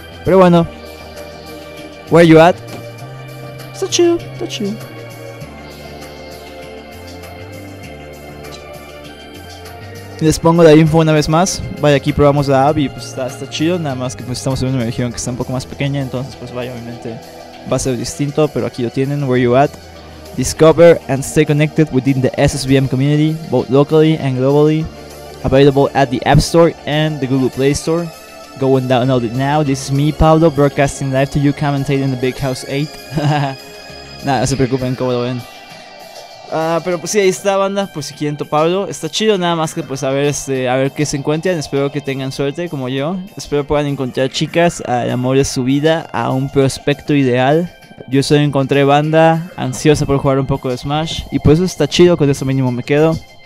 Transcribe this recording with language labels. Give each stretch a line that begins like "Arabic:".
Spanish: Pero bueno, Where You At, está chido. Les pongo la info una vez más. Vaya, aquí probamos la app y pues está chido. Nada más que pues estamos en una región que está un poco más pequeña. Entonces pues vaya, obviamente va a ser distinto. Pero aquí lo tienen, Where You At.
English: Discover and stay connected within the SSBM community, both locally and globally. Available at the App Store and the Google Play Store. Go and download it now. This is me, Pablo, broadcasting live to you, commentating the Big House 8.
Spanish: Nada, no se preocupen, como lo ven. Pero pues sí, ahí está, banda, pues si quieren toparlo, está chido, nada más que pues a ver qué se encuentran. Espero que tengan suerte, como yo, espero puedan encontrar chicas, al amor de su vida, a un prospecto ideal. Yo solo encontré banda, ansiosa por jugar un poco de Smash, y pues eso está chido, con eso mínimo me quedo.